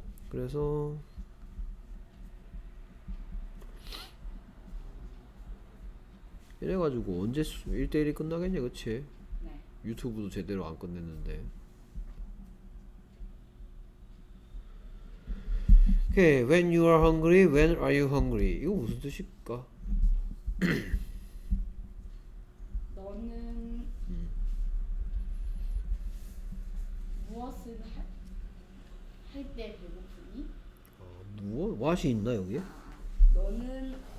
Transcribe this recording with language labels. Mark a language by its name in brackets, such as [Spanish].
[Korean] 그래서 이래가지고 언제 1대1이 끝나겠냐 그치? 네. 유튜브도 제대로 안 끝냈는데. 오케이. [English] When you are hungry, when are you hungry? [Korean] 이거 무슨 뜻일까? 너는 무엇을 할 때 배고프니? 아, 무엇? What이 있나 여기에? 너는